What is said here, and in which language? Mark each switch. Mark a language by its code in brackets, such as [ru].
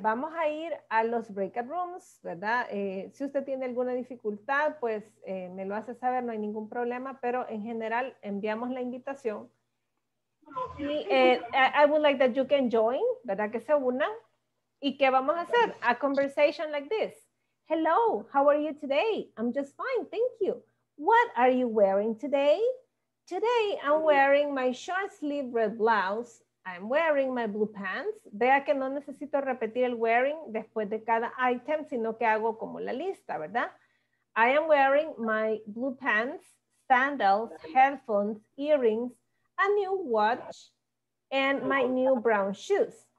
[es] Vamos a ir a los breakout rooms, ¿verdad? Si usted tiene alguna dificultad, pues me lo hace saber, no hay ningún problema, pero en general enviamos la invitación. [en] I would like that you can join, [es] ¿verdad? Que se una. ¿Y qué vamos a hacer? [en] A conversation like this. Hello, how are you today? I'm just fine, thank you. What are you wearing today? Today, I'm wearing my short sleeve red blouse. I'm wearing my blue pants. [es] Vea que no necesito repetir el wearing después de cada item, sino que hago como la lista, ¿verdad? [en] I am wearing my blue pants, sandals, headphones, earrings, a new watch, and my new brown shoes.